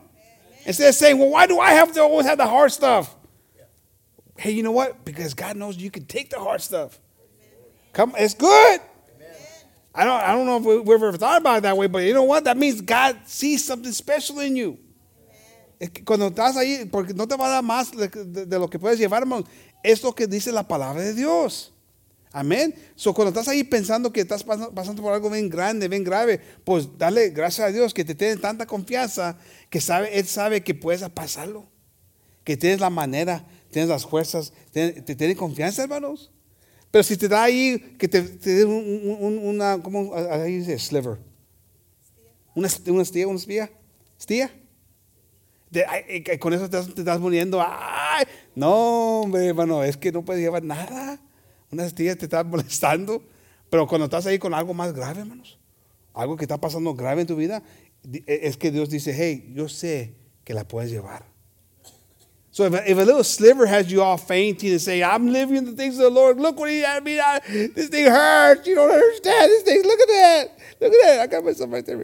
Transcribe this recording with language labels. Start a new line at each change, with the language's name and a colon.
English: Amen. Instead of saying, well, why do I have to always have the hard stuff? Yeah. Hey, you know what? Because God knows you can take the hard stuff. Amen. Come, it's good. I don't know if we've ever thought about it that way, but you know what? That means God sees something special in you.
Spanish: Cuando estás ahí, porque no te va a dar más de lo que puedes llevar, hermano. Es lo que dice la palabra de Dios. Amén. So, cuando estás ahí pensando que estás pasando por algo bien grande, bien grave, pues dale gracias a Dios que te tiene tanta confianza que sabe, Él sabe que puedes pasarlo. Que tienes la manera, tienes las fuerzas, te tiene confianza, hermanos. Pero si te da ahí, que te dé una, ¿cómo ahí dice? Sliver. Una estía, una espía. ¿Estía? Con eso te estás muriendo. ¡Ay! No, hombre, hermano, es que no puedes llevar nada. Una estía te está molestando. Pero cuando estás ahí con algo más grave, hermanos, algo que está pasando grave en tu vida, es que Dios dice, hey, yo sé que la puedes llevar.
English: So if a little sliver has you all fainting and say, I'm living the things of the Lord. Look what he had me. This thing hurts. You don't understand. This thing, look at that. Look at that. I got myself right there.